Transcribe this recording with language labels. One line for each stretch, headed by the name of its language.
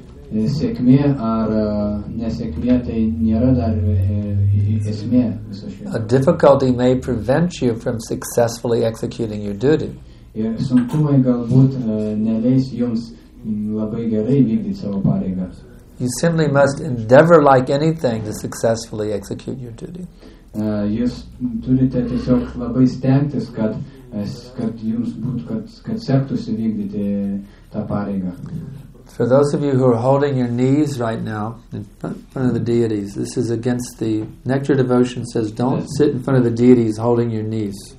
Lithuanian: Ir sėkmė ar nesėkmė tai nėra dar esmė viso šio.
English: A difficulty may prevent you from successfully executing your duty.
Lithuanian: Ir sunkumai galbūt neleis jums labai gerai vykdyti savo pareigas.
English: You simply must endeavor like anything to successfully execute your duty.
Lithuanian: Jūs turite tiesiog labai stengtis, kad jums būtų, kad sektųsi vykdyti tą pareigą.
English: For those of you who are holding your knees right now in front of the deities, this is against the Nectar Devotion says don't sit in front of the deities holding your knees.